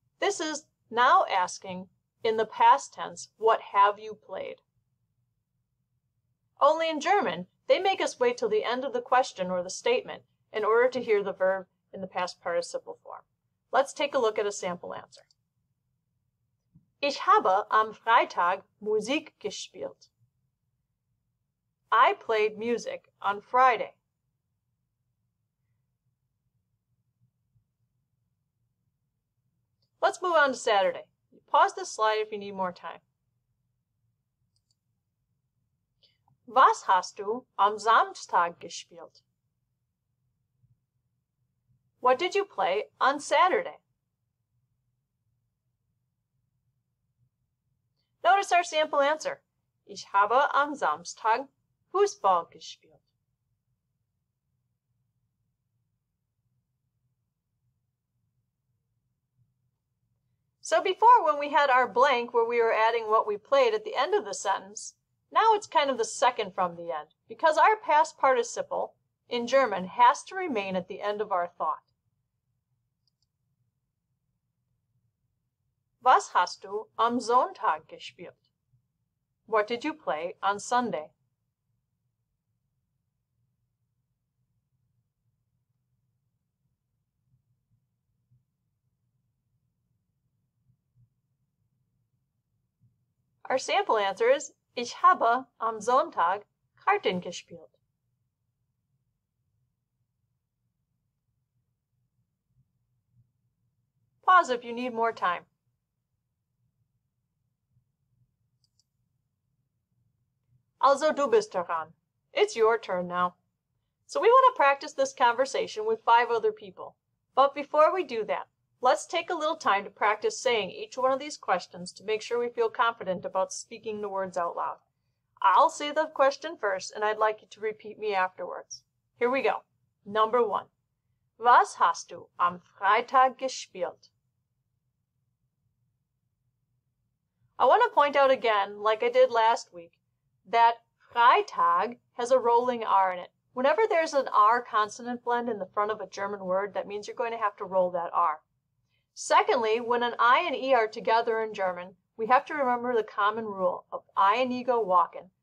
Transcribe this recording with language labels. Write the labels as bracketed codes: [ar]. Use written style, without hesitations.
[en] This is now asking in the past tense, what have you played? Only in German, they make us wait till the end of the question or the statement in order to hear the verb in the past participle form. Let's take a look at a sample answer. [de] Ich habe am Freitag Musik gespielt. [en] I played music on Friday. Let's move on to Saturday. Pause this slide if you need more time. [de] Was hast du am Samstag gespielt? [en] What did you play on Saturday? Notice our sample answer. [de] Ich habe am Samstag Fußball gespielt. [en] So before, when we had our blank where we were adding what we played at the end of the sentence, now it's kind of the second from the end, because our past participle in German has to remain at the end of our thought. [de] Was hast du am Sonntag gespielt? [en] What did you play on Sunday? Our sample answer is, [de] ich habe am Sonntag Karten gespielt. [en] Pause if you need more time. [de] Also du bist dran. [en] It's your turn now. So we want to practice this conversation with five other people. But before we do that, let's take a little time to practice saying each one of these questions to make sure we feel confident about speaking the words out loud. I'll say the question first, and I'd like you to repeat me afterwards. Here we go. Number one. [de] Was hast du am Freitag gespielt? [en] I want to point out again, like I did last week, that Freitag has a rolling R in it. Whenever there's an R consonant blend in the front of a German word, that means you're going to have to roll that R. Secondly, when an I and E are together in German, we have to remember the common rule of I and E go walking.